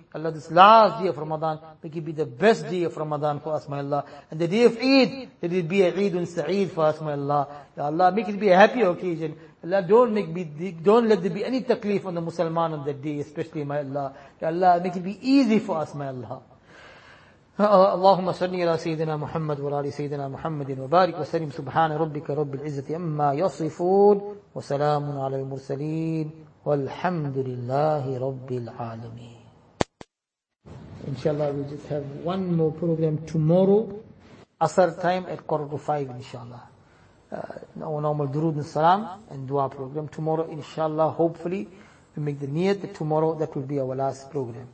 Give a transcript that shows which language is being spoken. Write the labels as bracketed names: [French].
[English] Allah, this last day of Ramadan, make it be the best day of Ramadan for us, my Allah. And the day of Eid, let it be a Eidun Sa'id for us, my Allah. Ya Allah, make it be a happy occasion. Allah, don't let there be any taklif on the Musliman on that day, especially, my Allah. Ya Allah, make it be easy for us, my Allah. [Arabic] اللهم صل على سيدنا محمد وعلى آل سيدنا محمد وبارك وسلم سبحان ربك رب العزة عما يصفون وسلام على المرسلين والحمد لله رب العالمين. [English] Inshallah, we'll just have one more program tomorrow, Asr time at 4:45, inshallah. Our normal durood and salam and dua program tomorrow, inshallah, hopefully, we make the niyat that tomorrow that will be our last program.